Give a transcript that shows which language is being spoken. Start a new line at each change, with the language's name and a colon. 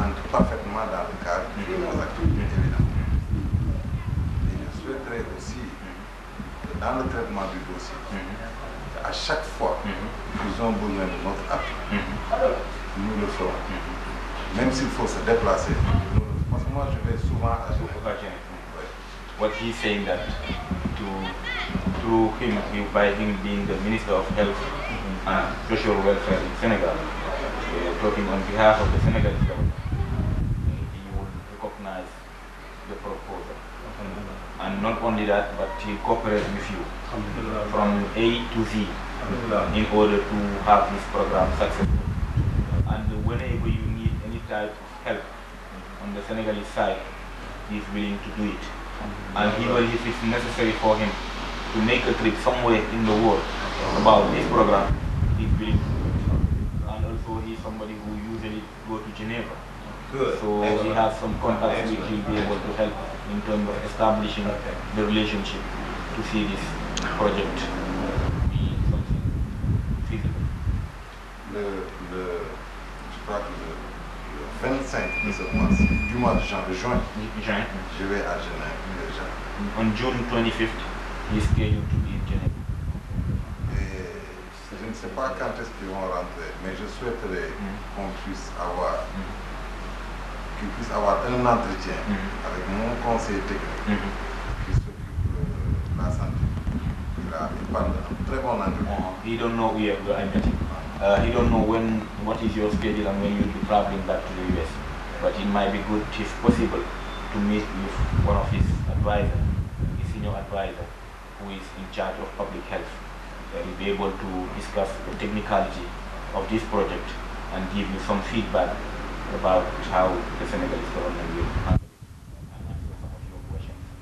French: Parfaitement dans le cadre de nos activités, évidemment. Et je souhaiterais aussi dans le traitement du dossier, à chaque fois qu'ils ont besoin de notre appui, nous le ferons. Même s'il faut se déplacer, parce que moi je vais souvent à ce moment.
English: What he's saying that to him, by him being the Minister of Health and Social Welfare in Senegal, talking on behalf of the Senegalese government, he would recognize the proposal. And not only that, but he cooperates with you from A to Z in order to have this program successful. And whenever you need any type of help on the Senegalese side, he's willing to do it. And even if it's necessary for him to make a trip somewhere in the world about this program, he's willing to do it. And also he's somebody who usually goes to Geneva. Good. So he has some contacts which he'll be able to help in terms of establishing the relationship to see this project be something feasible.
French: Le, je crois que le 25 du mois de janvier, je vais à Genève déjà. On June 25th, he's scheduled to be in Genève. Et je ne sais pas quand est-ce qu'ils vont rentrer, mais je souhaiterais qu'on puisse avoir. Qu'il puisse avoir un entretien avec mon conseil technique qui s'occupe de la santé. Il a parlé un très bon entretien.
English: He don't know where you are meeting. He don't know when, what is your schedule and when you'll be traveling back to the US. But it might be good, if possible, to meet with one of his advisors, his senior advisor, who is in charge of public health. He'll be able to discuss the technicality of this project and give you some feedback about how the Senegalese government will handle it and answer some of your questions.